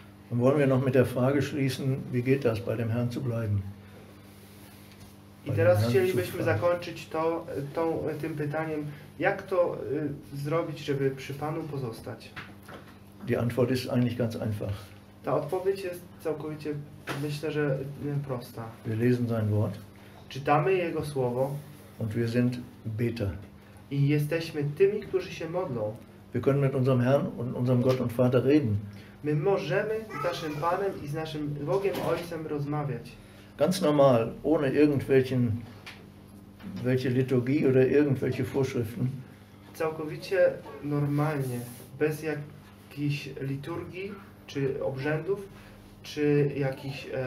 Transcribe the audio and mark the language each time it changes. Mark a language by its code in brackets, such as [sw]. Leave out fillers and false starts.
[de] Dann wollen wir noch mit der Frage schließen, wie geht das, bei dem Herrn zu bleiben? [pl] I teraz chcielibyśmy zakończyć tym pytaniem, jak to zrobić, żeby przy Panu pozostać? [de] Die Antwort ist eigentlich ganz einfach. [pl] Ta odpowiedź jest całkowicie, myślę, że prosta. [de] Wir lesen sein Wort. [pl] Czytamy Jego Słowo. [de] Und wir sind Beter. [pl] I jesteśmy tymi, którzy się modlą. [de] Wir können mit unserem Herrn und unserem Gott und Vater reden. [pl] My możemy z naszym Panem i z naszym Bogiem Ojcem rozmawiać. [de] Ganz normal, ohne irgendwelche Liturgie oder irgendwelche Vorschriften. [pl] Całkowicie normalnie, bez jakichś liturgii, czy obrzędów, czy jakichś